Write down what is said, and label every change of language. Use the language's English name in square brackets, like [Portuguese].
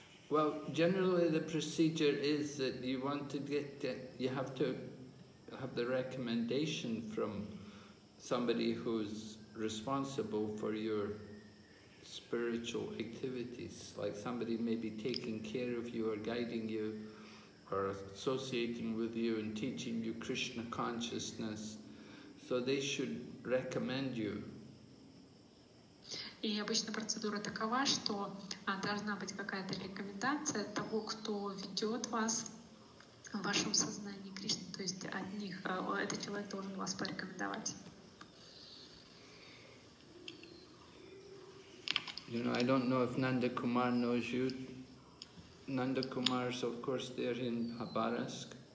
[English] Well, generally the procedure is that you want to you have to have the recommendation from somebody who's responsible for your spiritual activities, like somebody maybe taking care of you or guiding you, or associating with you and teaching you Krishna consciousness, so they should recommend you. [Russian] И обычно процедура такова, что должна быть какая-то рекомендация того, кто ведет вас в вашем сознании Кришны, то есть от них этот человек должен вас порекомендовать. [English] I don't know if Nanda Kumar knows you. Nanda Kumar is, of course, there in Habarovsk.